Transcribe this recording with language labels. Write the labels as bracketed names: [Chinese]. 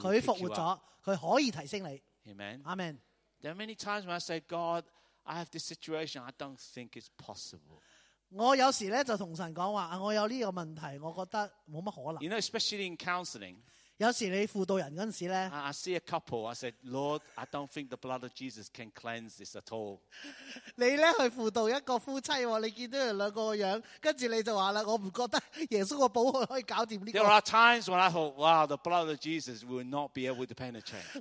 [Cantonese] 佢复活咗，佢可以提升你。 [English] Amen. Amen. There are many times when I say, God, I have this situation. I don't think it's possible. [Cantonese] 我有时咧就同神讲话，我有呢个问题，我觉得冇乜可能。 [English] You know, especially in counseling. [Cantonese] 有时你辅导人嗰阵时咧 [English] ，I see a couple. I said, Lord, I don't think the blood of Jesus can cleanse this at all. [Cantonese] 你咧去辅导一个夫妻，你见到两个样，跟住你就话啦，我唔觉得耶稣个宝血可以搞掂呢个。 [English] There are times when I thought, wow, the blood of Jesus will not be able to penetrate.